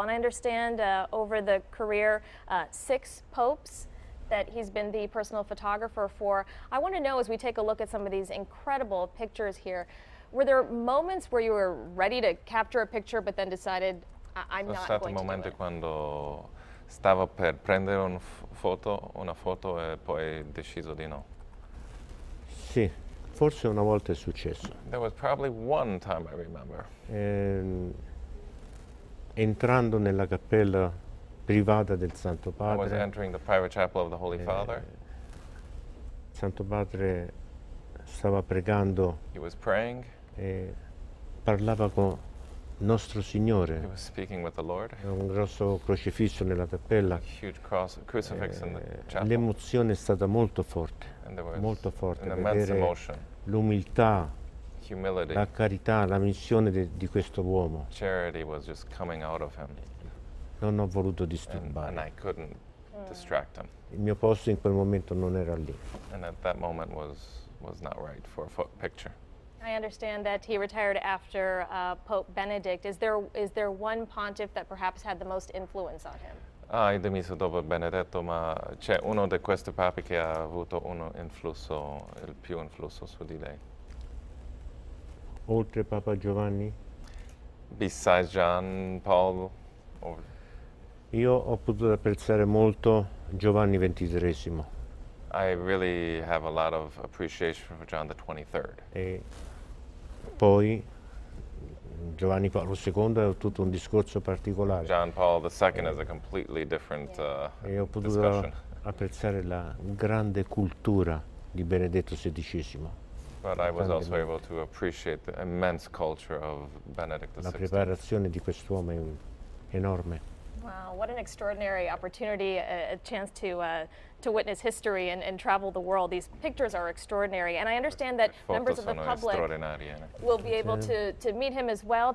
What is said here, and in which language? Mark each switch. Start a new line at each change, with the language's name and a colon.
English: And I understand over the career, 6 popes that he's been the personal photographer for. I want to know, as we take a look at some of these incredible pictures here, were there moments where you were ready to capture a picture but then decided, I'm not going to do it?
Italian: Stato momenti quando stavo per prendere una foto e poi deciso di no. Sì, forse una volta è successo.
English: There was probably one time I remember.
Italian: Entrando nella cappella privata del Santo Padre.
English: I was entering the private chapel of the Holy Father.
Italian: Santo Padre stava pregando.
English: He was praying.
Italian: E parlava con nostro Signore.
English: He was speaking with the Lord.
Italian: Un grosso crocifisso nella cappella.
English: A huge cross, crucifix in the chapel.
Italian: L'emozione è stata molto forte.
English: And there was
Italian: molto forte.
English: An immense emotion.
Italian: L'umiltà.
English: Humility.
Italian: La carità, la missione di questo uomo.
English: Charity was just coming out of him.
Italian: Non ho voluto disturbare.
English: And I couldn't distract him.
Italian: Il mio posto in quel momento non era lì.
English: And at that moment was not right for a picture. I understand that he retired after Pope Benedict. Is there one pontiff that perhaps had the most influence on him?
Italian: Ah, è dimesso dopo Benedetto, ma c'è uno di questi papi che ha avuto il più influsso su di lei. Oltre Papa Giovanni?
English: Besides John Paul?
Italian: Io ho potuto apprezzare molto Giovanni XXIII.
English: I really have a lot of appreciation for John the 23rd.
Italian: E poi Giovanni Paolo II è tutto un discorso particolare.
English: John Paul II is a completely different
Italian: discussion. E ho potuto apprezzare la grande cultura di Benedetto XVI.
English: But I was also able to appreciate the immense culture of Benedict XVI.
Italian: La preparazione di quest'uomo è enorme.
English: Wow, what an extraordinary opportunity, a chance to witness history and travel the world. These pictures are extraordinary, and I understand that members of the public will be able to meet him as well.